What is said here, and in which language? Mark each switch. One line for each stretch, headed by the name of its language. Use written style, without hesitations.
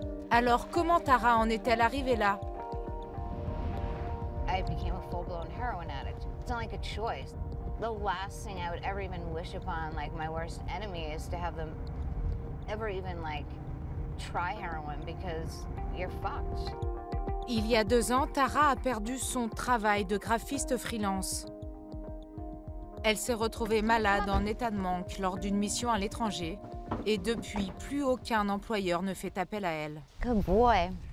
French: Alors, comment Tara en est-elle arrivée là?
English: I became a full-blown heroin addict. It's not like a choice. The last thing I would ever even wish upon, like my worst enemy, is to have them ever even like try heroin because you're fucked.
French: Il y a deux ans, Tara a perdu son travail de graphiste freelance. Elle s'est retrouvée malade en état de manque lors d'une mission à l'étranger. Et depuis, plus aucun employeur ne fait appel à elle.
English: Good boy.